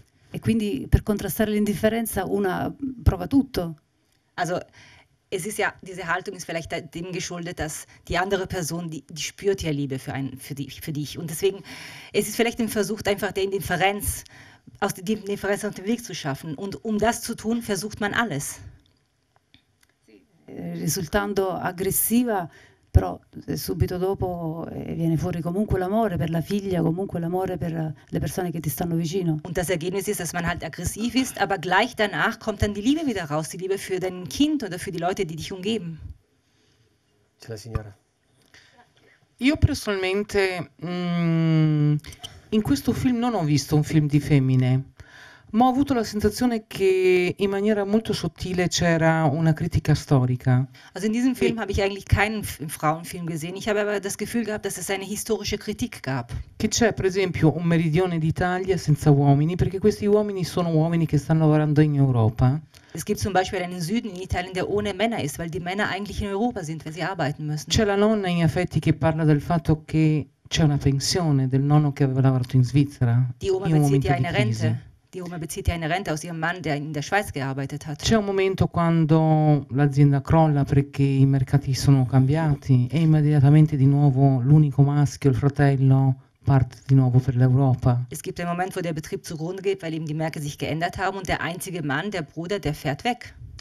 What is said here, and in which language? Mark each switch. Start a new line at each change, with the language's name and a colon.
Italian: E quindi per contrastare l'indifferenza una prova tutto.
German: Also, es ist ja, diese Haltung ist vielleicht dem geschuldet, dass die andere Person, die spürt ja Liebe für dich. Und deswegen, es ist vielleicht ein Versuch, einfach der Indifferenz aus dem Interesse auf den Weg zu schaffen. Und um das zu tun, versucht man alles.
Italian: Risultando aggressiva, però subito dopo viene fuori comunque l'amore per la figlia, comunque l'amore per le persone che ti stanno vicino.
German: Und das Ergebnis ist, dass man halt aggressiv ist, aber gleich danach kommt dann die Liebe wieder raus, die Liebe für dein Kind oder für die Leute, die dich umgeben.
Italian: C'è la signora. Io personalmente in questo film non ho visto un film di femmine, Ma ho avuto la sensazione che in maniera molto sottile c'era una critica storica.
German: Also in diesem Film habe ich eigentlich keinen Frauenfilm gesehen. Ich habe aber das Gefühl gehabt, dass es eine historische Kritik gab.
Italian: Che c'è, per esempio, un meridione d'Italia senza uomini, perché questi uomini sono uomini che stanno lavorando in Europa.
German: Es gibt zum Beispiel einen Süden in Italien, der ohne Männer ist, weil die Männer eigentlich in Europa sind, weil sie arbeiten müssen.
Italian: C'è la nonna in effetti che parla del fatto che c'è una pensione del nonno che aveva lavorato in Svizzera.
German: Die Oma bezieht ja eine Rente. Die Oma bezieht ja eine Rente aus ihrem Mann, der in der Schweiz gearbeitet hat.
Italian: C'è un momento quando l'azienda crolla perché i mercati sono cambiati e immediatamente di nuovo l'unico maschio, il fratello, parte di nuovo per l'Europa.
German: Es gibt einen Moment, wo der Betrieb zugrunde geht, weil eben die Märkte sich geändert haben und der einzige Mann, der Bruder, der fährt weg.